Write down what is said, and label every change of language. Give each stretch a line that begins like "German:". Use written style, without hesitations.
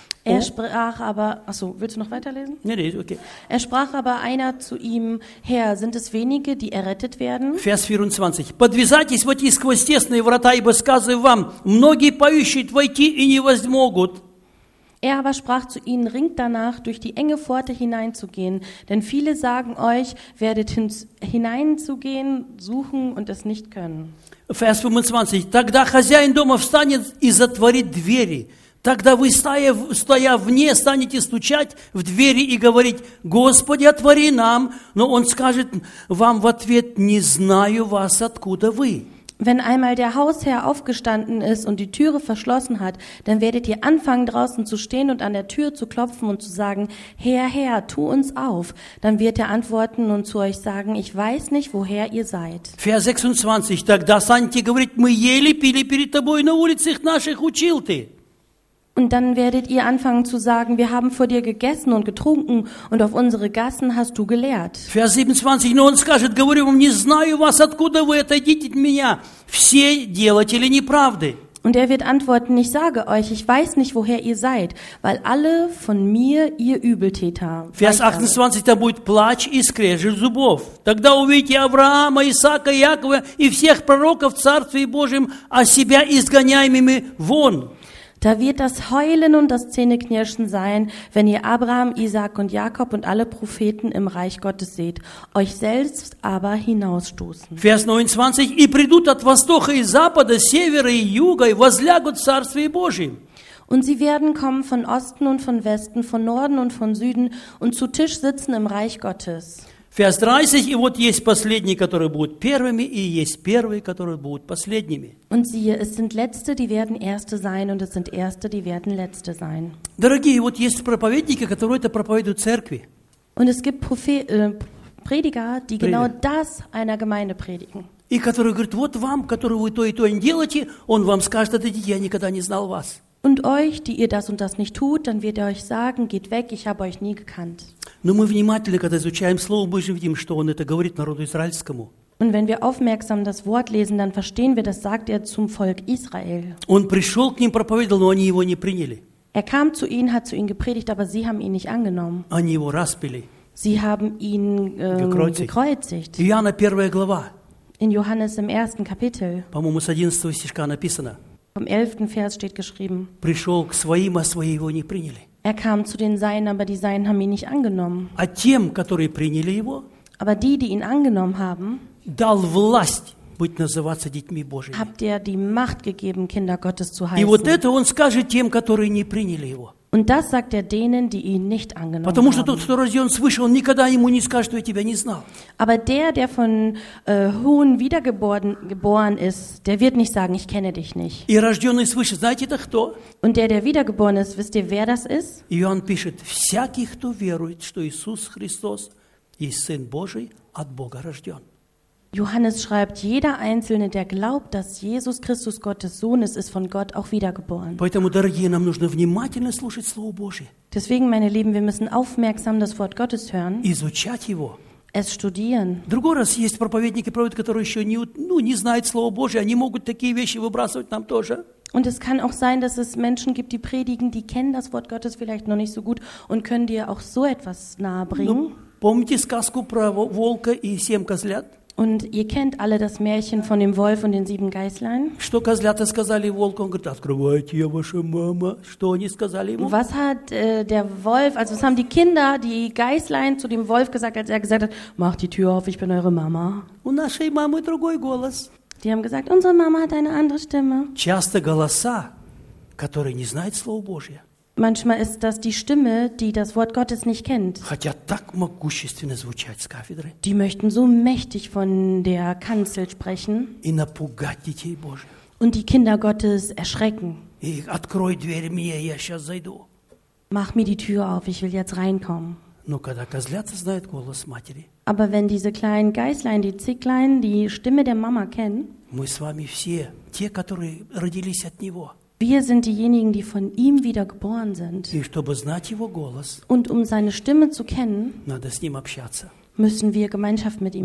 German: Er sprach aber, achso, willst du noch weiterlesen? Nee, okay. Er sprach aber einer zu ihm, Herr, sind es wenige, die errettet werden? Vers 24.
Russian: Подвязайтесь войти сквозь тесные врата, ибо сказываю вам, многие поющие войти и не возьмут.
German: Er aber sprach zu ihnen, ringt danach, durch die enge Pforte hineinzugehen, denn viele sagen euch, werdet hineinzugehen, suchen und es nicht können. Vers 25.
Russian: Тогда хозяин дома встанет и затворит двери. Тогда вы, стоя вне, станете стучать в двери и говорить, «Господи, отвори нам!» Но он скажет вам в ответ, «Не знаю вас, откуда вы».
German: Wenn einmal der Hausherr aufgestanden ist und die Türe verschlossen hat, dann werdet ihr anfangen, draußen zu stehen und an der Tür zu klopfen und zu sagen, Herr, Herr, tu uns auf. Dann wird er antworten und zu euch sagen, ich weiß nicht, woher ihr seid. Vers 26,
Russian: тогда станете говорить, мы ели пили перед тобой на улицах наших, учил ты.
German: Und dann werdet ihr anfangen zu sagen, wir haben vor dir gegessen und getrunken und auf unsere Gassen hast du gelehrt. Vers 27,
Russian: но он скажет, говорю вам, не знаю вас, откуда вы, отойдите от меня, все делатели неправды.
German: Und er wird antworten, ich sage euch, ich weiß nicht, woher ihr seid, weil alle von mir ihr Übeltäter seid. Vers 28, da
Russian: будет плач и скрежет зубов. Тогда увидите Авраама, Исаака, Якова и всех пророков в Царстве Божьем, а себя изгоняемыми вон.
German: Da wird das Heulen und das Zähneknirschen sein, wenn ihr Abraham, Isaak und Jakob und alle Propheten im Reich Gottes seht, euch selbst aber hinausstoßen. Vers 29,
Russian: и придут от востока и запада, севера и юга, и возлягут в Царстве Божьем.
German: Und sie werden kommen von Osten und von Westen, von Norden und von Süden und zu Tisch sitzen im Reich Gottes. Vers 30,
Russian: и вот есть последние, которые будут первыми, и есть первые, которые будут последними.
German: Und siehe, es sind Letzte, die werden Erste sein, und es sind Erste, die werden Letzte sein.
Russian: Дорогие, вот есть проповедники, которые это проповедуют в церкви.
German: Und es gibt Prediger, die genau das einer Gemeinde predigen.
Russian: И который говорит, вот вам, который вы то и то не делаете, он вам скажет, отойдите, я никогда не знал вас.
German: Und euch, die ihr das und das nicht tut, dann wird er euch sagen, geht weg, ich habe euch nie gekannt.
Russian: Но мы внимательно, когда изучаем Слово Божие, видим, что он это говорит народу израильскому.
German: Und wenn wir aufmerksam das Wort lesen, dann verstehen wir, das sagt er zum Volk Israel.
Russian: Он пришел к ним проповедовал, но они его не приняли.
German: Er kam zu ihnen, hat zu ihnen gepredigt, aber sie haben ihn nicht angenommen.
Russian: Они его распяли.
German: Sie haben ihn gekreuzigt.
Russian: Иоанна, первая глава.
German: In Johannes im ersten Kapitel.
Russian: По-моему, с 11 стишка написано.
German: Vom 11. Vers steht geschrieben.
Russian: Пришел к своим, а свои его не приняли.
German: Er kam zu den Seinen, aber die Seinen haben ihn nicht angenommen.
Russian: А тем, которые приняли его,
German: aber die, die ihn angenommen haben,
Russian: дал власть быть называться детьми Божьими.
German: Habt ihr die Macht gegeben, Kinder Gottes zu heißen.
Russian: И вот это он скажет тем, которые не приняли его.
German: Und das sagt er denen, die ihn nicht angenommen haben.
Russian: Потому что тот, кто рожден свыше, он никогда ему не скажет, что я тебя не знал.
German: Aber der, der von hohen wiedergeboren ist, der wird nicht sagen, ich kenne dich nicht.
Russian: И рожденный свыше, знаете, это кто?
German: Und der, der wiedergeboren ist, wisst ihr, wer das ist?
Russian: Иоанн пишет, всякий, кто верует, что Иисус Христос есть Сын Божий, от Бога рожден.
German: Johannes schreibt, jeder Einzelne, der glaubt, dass Jesus Christus Gottes Sohn ist, ist von Gott auch wiedergeboren.
Russian: Поэтому, дорогие, нам нужно внимательно слушать Слово Божие.
German: Deswegen, meine Lieben, wir müssen aufmerksam das Wort Gottes hören.
Russian: Изучать его.
German: Es studieren.
Russian: Другой раз есть проповедники, которые еще не знают Слово Божие, они могут такие вещи выбрасывать нам тоже.
German: Und es kann auch sein, dass es Menschen gibt, die predigen, die kennen das Wort Gottes vielleicht noch nicht so gut und können dir auch so etwas nahebringen.
Russian: Помните сказку про волка и семь козлят?
German: Und ihr kennt alle das Märchen von dem Wolf und den sieben Geißlein?
Russian: Что козлята сказали волку? Он говорит, открывайте, я ваша мама. Что они сказали ему?
German: Was hat der Wolf, also was haben die Kinder, die Geißlein zu dem Wolf gesagt, als er gesagt hat, mach die Tür auf, ich bin eure Mama.
Russian: У нашей мамы другой голос.
German: Die haben gesagt, unsere Mama hat eine andere Stimme.
Russian: Часто голоса, которые не знают Слово Божие.
German: Manchmal ist das die Stimme, die das Wort Gottes nicht kennt.
Russian: Хотя так могущественно звучать с кафедры.
German: Die möchten so mächtig von der Kanzel sprechen.
Russian: И напугать детей Божьих.
German: Und die Kinder Gottes erschrecken.
Russian: И открой дверь мне, я сейчас зайду.
German: Mach mir die Tür auf, ich will jetzt reinkommen.
Russian: Но когда козлята знают голос матери.
German: Aber wenn diese kleinen Geißlein, die Zicklein, die Stimme der Mama kennen.
Russian: Мы с вами все, те, которые родились от Него.
German: Wir sind diejenigen, die von ihm wiedergeboren sind.
Russian: И чтобы знать его голос,
German: und um seine Stimme zu kennen,
Russian: надо с ним общаться.
German: Müssen wir Gemeinschaft mit ihm